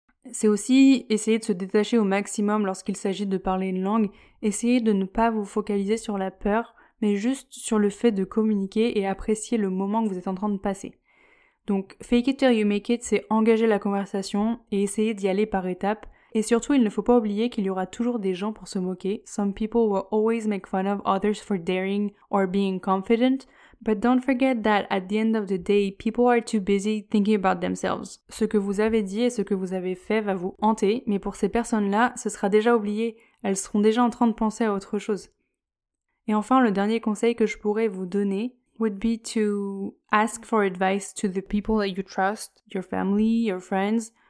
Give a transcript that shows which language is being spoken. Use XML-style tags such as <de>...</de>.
<fr>C'est aussi essayer de se détacher au maximum lorsqu'il s'agit de parler une langue, essayer de ne pas vous focaliser sur la peur, mais juste sur le fait de communiquer et apprécier le moment que vous êtes en train de passer. Donc,</fr> <en>fake it till you make it,</en> <fr>c'est engager la conversation et essayer d'y aller par étapes. Et surtout, il ne faut pas oublier qu'il y aura toujours des gens pour se moquer.</fr> <en>Some people will always make fun of others for daring or being confident. But don't forget that at the end of the day, people are too busy thinking about themselves.</en> <fr>Ce que vous avez dit et ce que vous avez fait va vous hanter, mais pour ces personnes-là, ce sera déjà oublié. Elles seront déjà en train de penser à autre chose. Et enfin, le dernier conseil que je pourrais vous donner</fr> <en>would be to ask for advice to the people that you trust, your family, your friends.</en>